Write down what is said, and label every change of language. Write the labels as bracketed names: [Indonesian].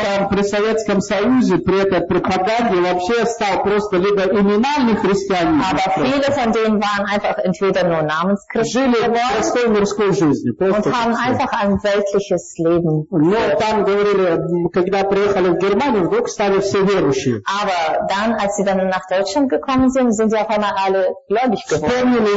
[Russian] При Советском Союзе при этой пропаганде вообще стал просто либо именами христианин. [German] Aber viele von denen waren einfach entweder nur Namenschristen und haben einfach ein weltliches Leben. [Russian] Но там говорили, когда приехали в Германию, вдруг стали все верующие. [German] Aber dann, als sie dann nach Deutschland gekommen sind, sind sie auf einmal alle gläubig geworden.